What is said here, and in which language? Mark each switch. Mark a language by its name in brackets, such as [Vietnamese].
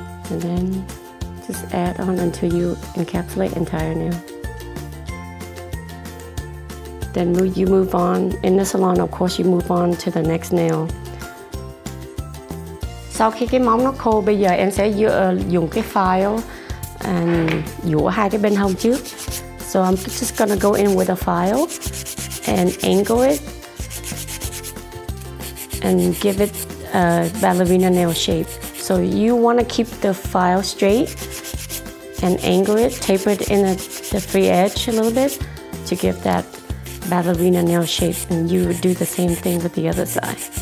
[English] And then just add on until you encapsulate entire nail. Then you move on. In the salon, of course, you move on to the next nail. [Vietnamese] Sau khi cái móng nó khô, bây giờ em sẽ dùng cái file and dũa hai cái bên hông trước. [English] So I'm just gonna go in with a file and angle it and give it a ballerina nail shape. So you want to keep the file straight and angle it, taper it in the free edge a little bit to give that ballerina nail shape, and you would do the same thing with the other side.